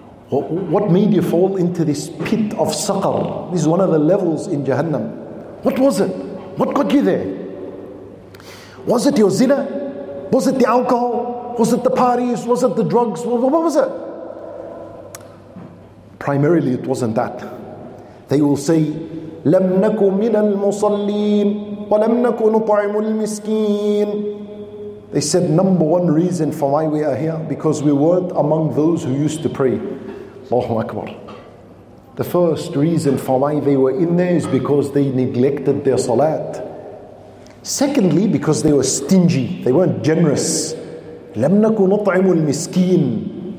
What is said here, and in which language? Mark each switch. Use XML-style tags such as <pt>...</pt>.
<en>What made you fall into this pit of saqar? This is one of the levels in Jahannam. What was it? What got you there? Was it your zina? Was it the alcohol? Was it the parties? Was it the drugs? What was it? Primarily, it wasn't that. They will say,</en> <ar>لَمْ نَكُ مِنَ الْمُصَلِّينَ وَلَمْ نَكُ نُطَعِمُ الْمِسْكِينَ.</ar> <en>They said, number one reason for why we are here, because we weren't among those who used to pray. Allahu Akbar. The first reason for why they were in there is because they neglected their salat. Secondly, because they were stingy. They weren't generous.</en> <ar>لَمْ نَكُ نُطْعِمُ الْمِسْكِينَ.</ar>